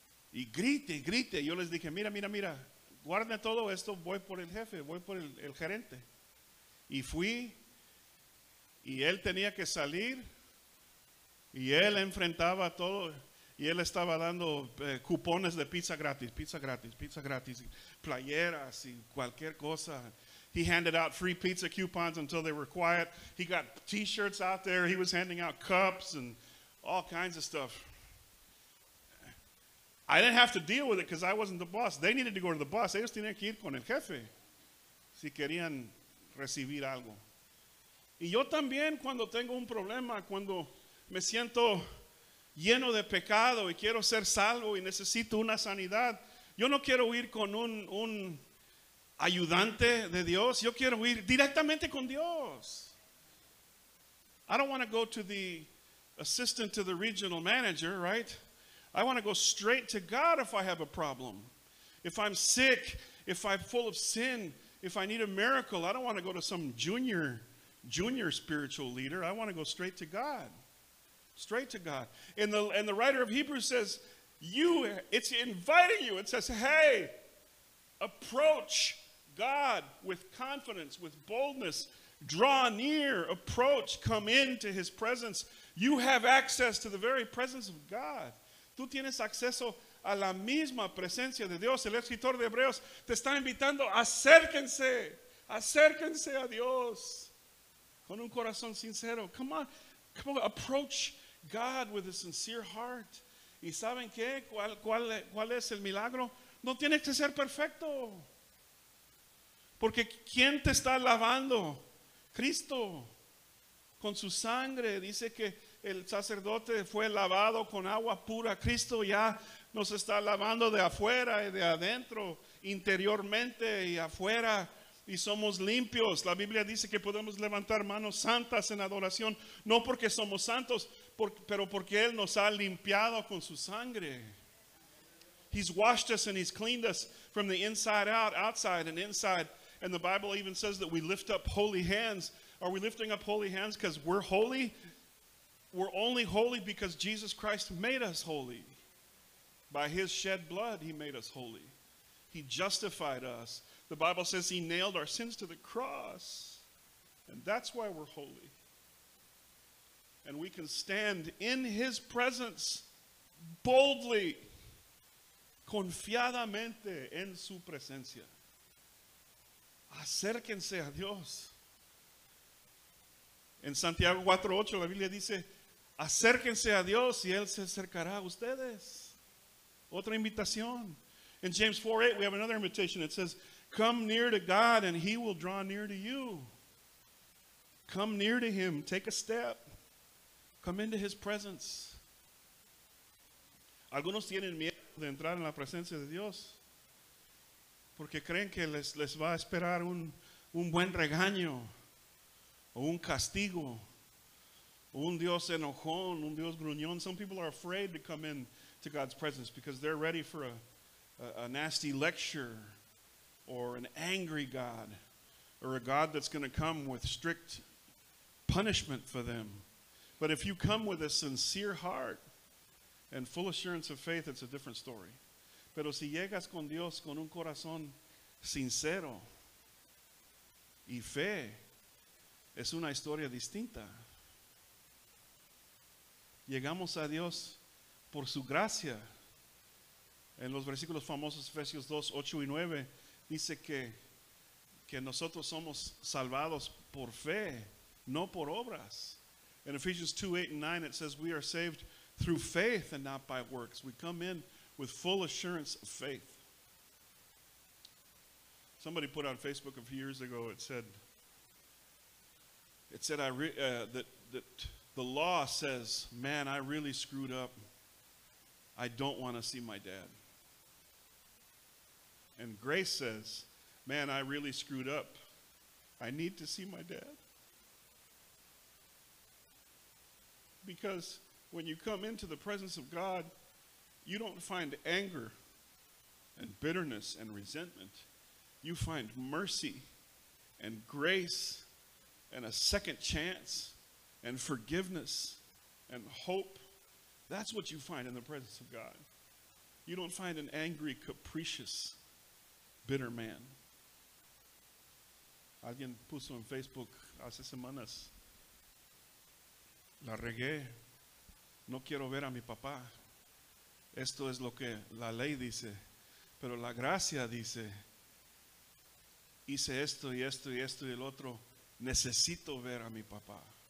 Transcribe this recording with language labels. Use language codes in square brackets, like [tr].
[es] Y grite, grite. Yo les dije, mira, guarde todo esto, voy por el jefe, voy por el gerente. Y fui. Y él tenía que salir y él enfrentaba todo y él estaba dando cupones de pizza gratis, playeras y cualquier cosa. [en] He handed out free pizza coupons until they were quiet. He got t-shirts out there. He was handing out cups and all kinds of stuff. I didn't have to deal with it because I wasn't the boss. They needed to go to the boss. [es] Ellos tenían que ir con el jefe si querían recibir algo. Y yo también cuando tengo un problema, cuando me siento lleno de pecado y quiero ser salvo y necesito una sanidad, yo no quiero ir con un ayudante de Dios, yo quiero ir directamente con Dios. [en] I don't want to go to the assistant to the regional manager, right? I want to go straight to God if I have a problem. If I'm sick, if I'm full of sin, if I need a miracle, I don't want to go to some junior spiritual leader. I want to go straight to God. Straight to God. And the writer of Hebrews says, it's inviting you. It says, hey, approach God with confidence, with boldness. Draw near, approach, come into his presence. You have access to the very presence of God [es] tú tienes acceso a la misma presencia de Dios. El escritor de Hebreos te está invitando, acérquense, acérquense a Dios con un corazón sincero. [en] Come on, come on, approach God with a sincere heart. [es] ¿Y saben qué? ¿Cuál es el milagro? No tienes que ser perfecto. Porque ¿quién te está lavando? Cristo, con su sangre. Dice que el sacerdote fue lavado con agua pura. Cristo ya nos está lavando de afuera y de adentro, interiormente y afuera. Y somos limpios. La Biblia dice que podemos levantar manos santas en adoración. No porque somos santos, pero porque Él nos ha limpiado con su sangre. [en] He's washed us and He's cleaned us from the inside out, outside and inside. And the Bible even says that we lift up holy hands. Are we lifting up holy hands because we're holy? We're only holy because Jesus Christ made us holy. By His shed blood, He made us holy. He justified us. The Bible says He nailed our sins to the cross. And that's why we're holy. And we can stand in His presence boldly, [es] confiadamente en su presencia. Acérquense a Dios. En Santiago 4:8 la Biblia dice, acérquense a Dios y Él se acercará a ustedes. Otra invitación. [en] In James 4:8 we have another invitation. It says, come near to God and He will draw near to you. Come near to Him. Take a step. Come into His presence. [es] Algunos tienen miedo de entrar en la presencia de Dios porque creen que les va a esperar un buen regaño o un castigo o un Dios enojón, un Dios gruñón. [en] Some people are afraid to come in to God's presence because they're ready for a nasty lecture or an angry God or a God that's going to come with strict punishment for them. But if you come with a sincere heart and full assurance of faith, it's a different story. [es] Pero si llegas con Dios con un corazón sincero y fe, es una historia distinta. Llegamos a Dios por su gracia. En los versículos famosos, Efesios 2, 8 y 9, dice que nosotros somos salvados por fe, no por obras. [en] In Ephesians 2, 8 and 9, it says we are saved through faith and not by works. We come in with full assurance of faith. Somebody put on Facebook a few years ago, it said that the law says, man, I really screwed up. I don't want to see my dad. And grace says, man, I really screwed up. I need to see my dad. Because when you come into the presence of God, you don't find anger and bitterness and resentment. You find mercy and grace and a second chance and forgiveness and hope. That's what you find in the presence of God. You don't find an angry, capricious, bitter man. [es] Alguien puso en Facebook hace semanas, la regué, no quiero ver a mi papá. Esto es lo que la ley dice, pero la gracia dice, hice esto y esto y esto y el otro, necesito ver a mi papá.